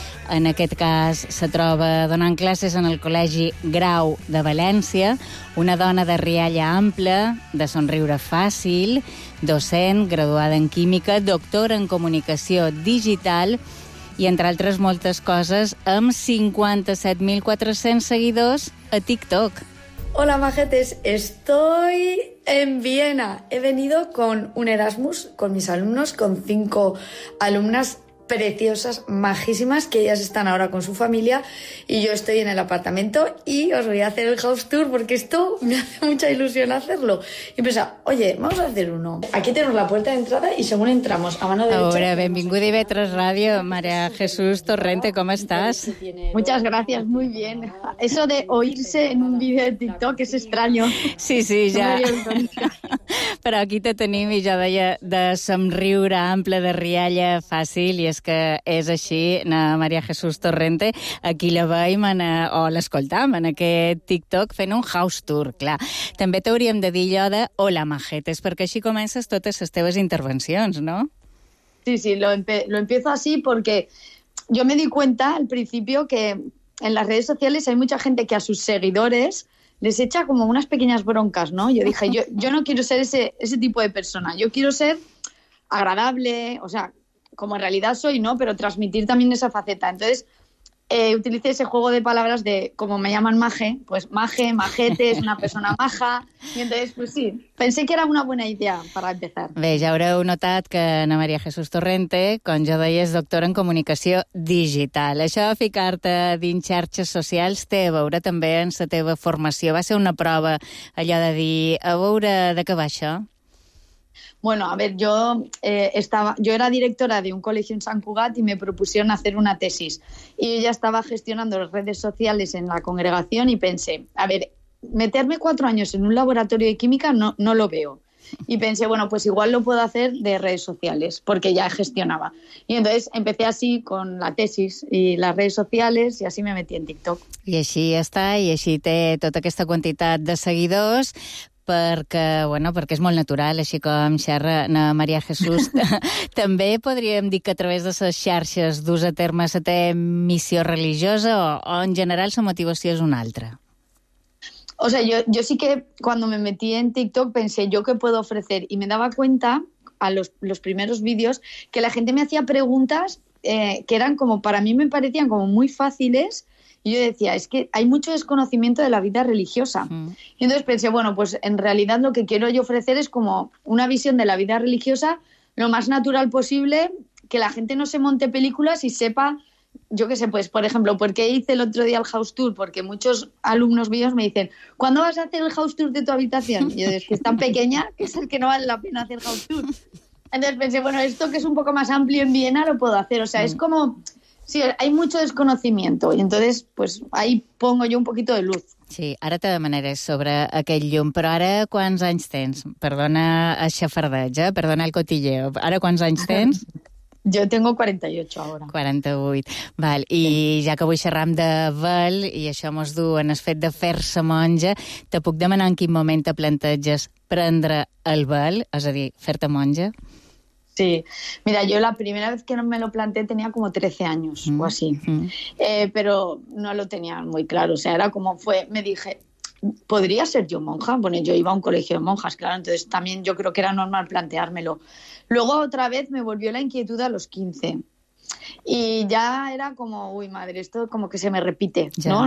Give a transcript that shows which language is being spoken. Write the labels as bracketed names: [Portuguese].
[Catalan] En aquest cas, se troba donant classes en el Col·legi Grau de València, una dona de rialla ampla, de somriure fàcil, docent, graduada en química, doctora en comunicació digital i, entre altres moltes coses, amb 57.400 seguidors a TikTok. [Spanish] Hola, majetes, estoy en Viena. He venido con un Erasmus, con mis alumnos, con 5 alumnas preciosas, majísimas, que ellas están ahora con su familia y yo estoy en el apartamento y os voy a hacer el house tour porque esto me hace mucha ilusión hacerlo. Y pensaba, oye, vamos a hacer uno. Aquí tenemos la puerta de entrada y según entramos a mano derecha... Ahora, bienvenido a IB3 Radio, María Jesús Torrente, ¿cómo estás? Muchas gracias, muy bien. Eso de oírse en un vídeo de TikTok es extraño. Sí, sí, ya. [Catalan] Però aquí te tenim i ja deia de somriure ample, de rialla fàcil, i és que és així, na Maria Jesús Torrente, aquí la veiem o l'escoltam en aquest TikTok fent un house tour, clar. També t'hauríem de dir allò de [Spanish] hola, majetes, [Catalan] perquè així comences totes les teves intervencions, no? [Spanish] Sí, sí, lo empiezo así porque yo me di cuenta al principio que en las redes sociales hay mucha gente que a sus seguidores les echa como unas pequeñas broncas, ¿no? Yo dije, yo no quiero ser ese tipo de persona. Yo quiero ser agradable, o sea, como en realidad soy, ¿no? Pero transmitir también esa faceta. Entonces, utilice ese juego de palabras de, como me llaman maje, pues maje, majete, es una persona maja. Y entonces, pues sí, pensé que era una buena idea para empezar. [Catalan] Bé, ja haureu notat que Ana María Jesús Torrente, com jo deia, és doctora en comunicació digital. Això de ficar-te dins xarxes socials té a veure també en la teva formació. Va ser una prova allò de dir, a veure de què va això? [Spanish] Bueno, a ver, yo era directora de un colegio en San Cugat y me propusieron hacer una tesis. Y yo ya estaba gestionando las redes sociales en la congregación y pensé, a ver, meterme 4 años en un laboratorio de química no lo veo. Y pensé, bueno, pues igual lo puedo hacer de redes sociales, porque ya gestionaba. Y entonces empecé así con la tesis y las redes sociales y así me metí en TikTok. Y así está, y así te toca esta cantidad de seguidores. [Catalan] Perquè, bueno, perquè és molt natural, així com xerra na Maria Jesús. També podríem dir que a través de les xarxes dus a terme la teva missió religiosa o en general la motivació és una altra? [Spanish] O sea, yo sí que cuando me metí en TikTok pensé, ¿yo qué puedo ofrecer? Y me daba cuenta a los primeros vídeos que la gente me hacía preguntas que eran como, para mí me parecían como muy fáciles. Y yo decía, es que hay mucho desconocimiento de la vida religiosa. Uh-huh. Y entonces pensé, bueno, pues en realidad lo que quiero yo ofrecer es como una visión de la vida religiosa lo más natural posible, que la gente no se monte películas y sepa, yo qué sé, pues por ejemplo, ¿por qué hice el otro día el house tour? Porque muchos alumnos míos me dicen, ¿cuándo vas a hacer el house tour de tu habitación? Y yo digo, es que es tan pequeña que es el que no vale la pena hacer house tour. Entonces pensé, bueno, esto que es un poco más amplio en Viena lo puedo hacer. O sea, uh-huh. Es como... Sí, hay mucho desconocimiento y entonces pues ahí pongo yo un poquito de luz. [Catalan] Sí, ara te demanaré sobre aquell llum, però ara quants anys tens? Perdona el xafardeig, [Spanish] perdona el cotilleo. [Catalan] Ara quants anys tens? [Spanish] Yo tengo 48 ahora. [Catalan] 48, val. I sí. Ja que vull xerrar amb de vel i això mos du en el fet de fer-se monja, te puc demanar en quin moment te planteges prendre el vel, és a dir, fer-te monja? [Spanish] Sí, mira, yo la primera vez que me lo planteé tenía como 13 años o así, pero no lo tenía muy claro, o sea, era como fue, me dije, ¿podría ser yo monja? Bueno, yo iba a un colegio de monjas, claro, entonces también yo creo que era normal planteármelo. Luego otra vez me volvió la inquietud a los 15 y ya era como, uy madre, esto como que se me repite, ya. ¿No?